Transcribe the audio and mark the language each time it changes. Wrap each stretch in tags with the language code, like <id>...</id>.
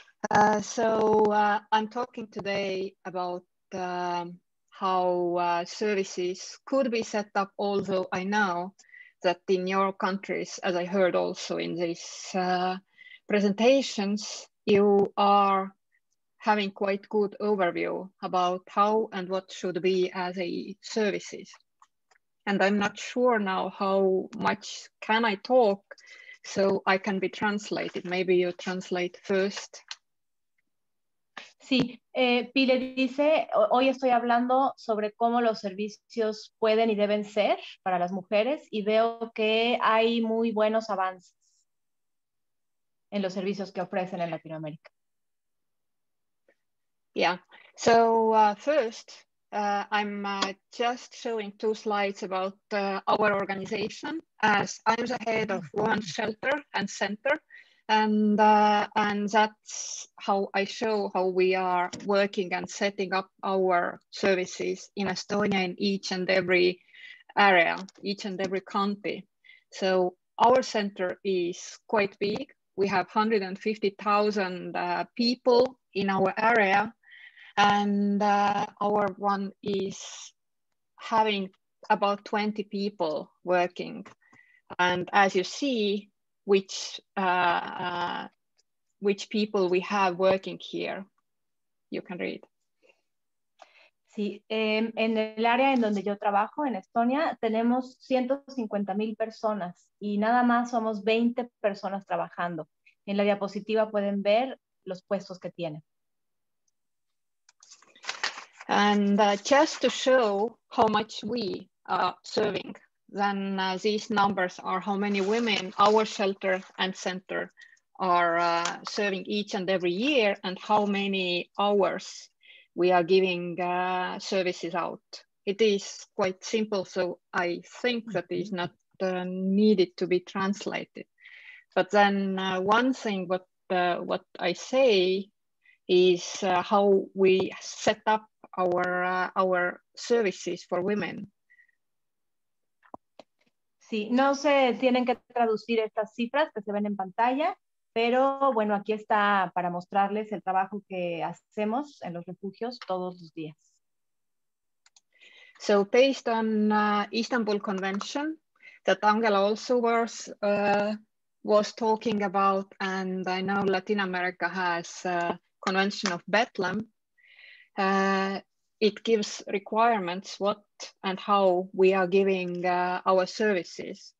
<en>I'm talking today about how services could be set up, although I know that in your countries, as I heard also in these presentations, you are having quite good overview about how and what should be as a services. And I'm not sure now how much can I talk, so I can be translated. Maybe you translate first.</en> <es>Sí, Pile dice, hoy estoy hablando sobre cómo los servicios pueden y deben ser para las mujeres y veo que hay muy buenos avances en los servicios que ofrecen en Latinoamérica.</es> <en>Yeah, so first, I'm just showing two slides about our organization, as I'm the head of Women's Shelter and Center. And that's how I show how we are working and setting up our services in Estonia in each and every area, each and every county. So our center is quite big. We have 150,000 people in our area, and our one is having about 20 people working. And as you see, which people we have working here. You can read.</en> <es>Sí, en el área en donde yo trabajo, en Estonia, tenemos 150,000 personas y nada más somos 20 personas trabajando. En la diapositiva pueden ver los puestos que tienen.</es> <en>And just to show how much we are serving, then these numbers are how many women our shelter and center are serving each and every year and how many hours we are giving services out. It is quite simple, so I think that is not needed to be translated. But then one thing what I say is how we set up our services for women.</en> <es>Sí, no se tienen que traducir estas cifras que se ven en pantalla, pero bueno, aquí está para mostrarles el trabajo que hacemos en los refugios todos los días.</es> <en>So based on Istanbul Convention that Angela also was talking about, and I know Latin America has a Convention of Bethlehem, it gives requirements what and how we are giving our services.</en>